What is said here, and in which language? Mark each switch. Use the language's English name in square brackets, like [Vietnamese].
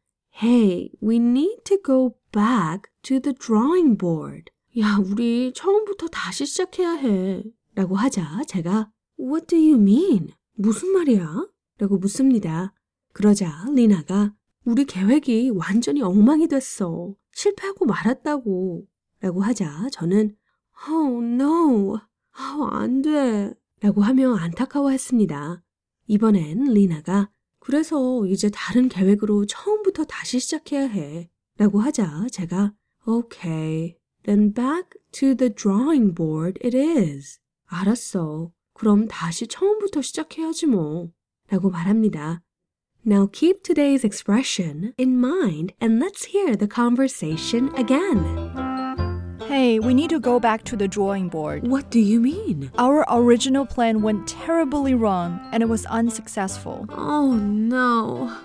[English] Hey, we need to go back to the drawing board. [Korean] 야, 우리 처음부터 다시 시작해야 해. 라고 하자 제가 [English] What do you mean? [Korean] 무슨 말이야? 라고 묻습니다. 그러자 리나가 우리 계획이 완전히 엉망이 됐어. 실패하고 말았다고. 라고 하자 저는 [English] Oh no! [Korean] Oh, 안 돼! 라고 하며 안타까워했습니다. 이번엔 리나가 그래서 이제 다른 계획으로 처음부터 다시 시작해야 해. 라고 하자 제가 Okay. [English] Then back to the drawing board it is. [Korean] 알았어. 그럼 다시 처음부터 시작해야지 뭐. 라고 말합니다. [English] Now keep today's expression in mind and let's hear the conversation again. Hey, we need to go back to the drawing board. What do you mean? Our original plan went terribly wrong and it was unsuccessful. Oh no.